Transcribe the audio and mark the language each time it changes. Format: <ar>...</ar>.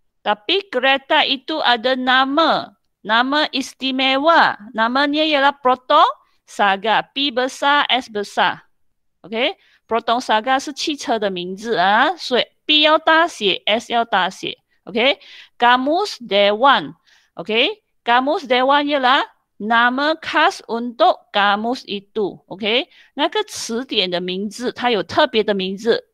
<ms>Tapi kereta itu ada nama. Nama istimewa. Namanya ialah Proton Saga. P besar, S besar. Okay?</ms> <zh>Proton Saga 是汽车的名字. So, P 要大写, S 要大写.</zh> <ms>Okay? Kamus Dewan. Okay? Kamus Dewan ialah nama khas untuk kamus itu. Okay?</ms> <zh>那个词典的名字, 它有特别的名字.</zh>